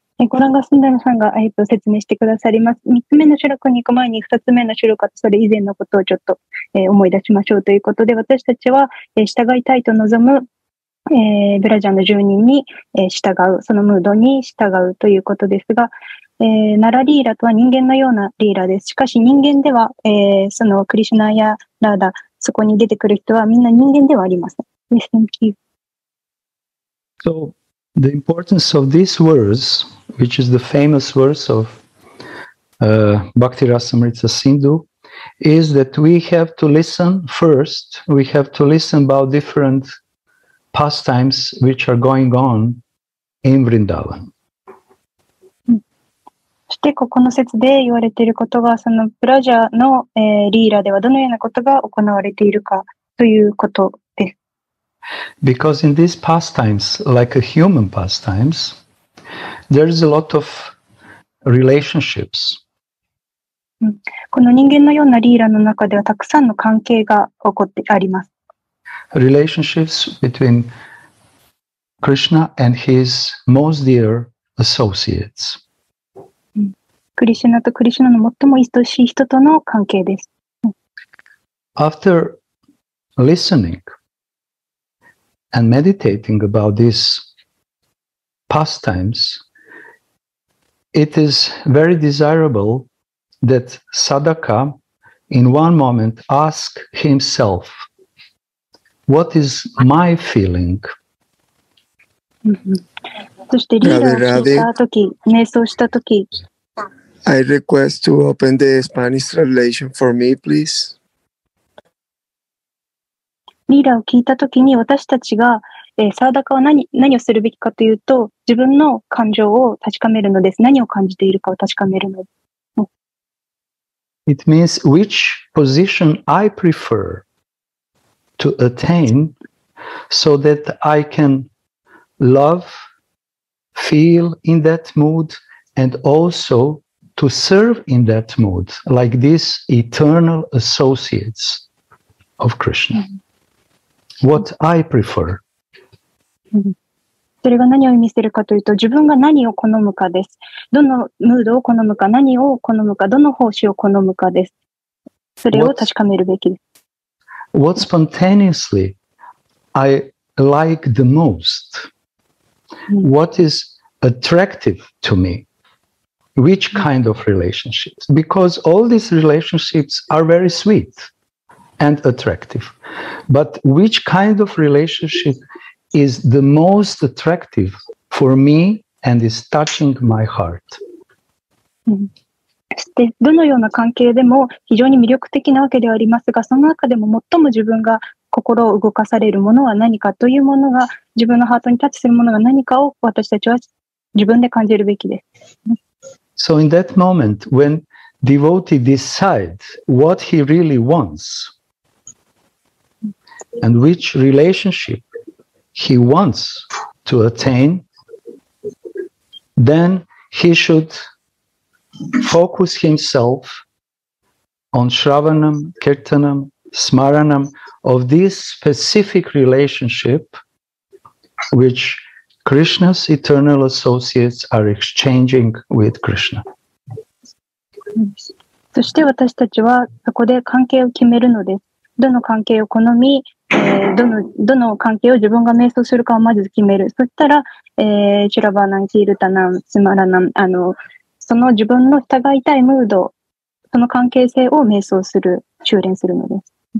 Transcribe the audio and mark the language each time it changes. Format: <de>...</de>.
<ja>ゴランガスンダラさんが説明してくださります。3つ目の種録に行く前に2つ目の種録、それ以前のことをちょっと思い出しましょうということで、私たちは従いたいと望むブラジャンの住人に従う、そのムードに従うということですが、ナラリーラとは人間のようなリーラです。しかし人間では、そのクリシュナやラーダ、そこに出てくる人はみんな人間ではありません。</ja> <en>Yes, thank you. So,The importance of these words, which is the famous words of Bhakti Rasamrita Sindhu, is that we have to listen first, we have to listen about different pastimes which are going on in Vrindavan.</en> <ja>そしてここの説で言われていることが、そのブラジャの、リーラではどのようなことが行われているかということです。</ja> <en>Because in these pastimes, like a human pastimes, there is a lot of relationships.</en> <ja>この人間のようなリーラの中ではたくさんの関係が起こってあります。</ja> <en>Relationships between Krishna and his most dear associates.</en> <ja>クリシュナとクリシュナの最も愛しい人との関係です。</ja> <en>After listening,And meditating about these pastimes, it is very desirable that Sadaka, in one moment, ask himself, "What is my feeling?"</en> <ja>そしてリーダーをした時、瞑想した時、</ja> <en>I request to open the Spanish translation for me, please.</en> <ja>リーダーを聞いたときに私たちが、サーダカは 何をするべきかというと自分の感情を確かめるのです。何を感じているかを確かめるのです。</ja> <en>It means which position I prefer to attain so that I can love, feel in that mood and also to serve in that mood like these eternal associates of Krishna. What I prefer.</en> <ja>それが何を意味するかというと、自分が何を好むかです。どのムードを好むか、何を好むか、どの方針を好むかです。それを確かめるべきです。</ja> <en>What spontaneously I like the most? What is attractive to me? Which kind of relationships? Because all these relationships are very sweet. And attractive. But which kind of relationship is the most attractive for me and is touching my heart?</en> <ja>どのような関係でも非常に魅力的なわけではありますが、その中でも最も自分が心を動かされるものは何かというものが、自分のハートにタッチするものが何かを私たちは自分で感じるべきです。</ja> <en>So in that moment, when devotee decides what he really wants,And which relationship he wants to attain, then he should focus himself on Shravanam, Kirtanam, Smaranam of this specific relationship which Krishna's eternal associates are exchanging with Krishna.</en> <ja>そして私たちはそこで関係を決めるのです。どの関係を好み、どの関係を自分が瞑想するかをまず決める。そしたら、シュラバナン、キールタナン、スマラナン、その自分の従いたいムード、その関係性を瞑想する、修練するのです。</ja>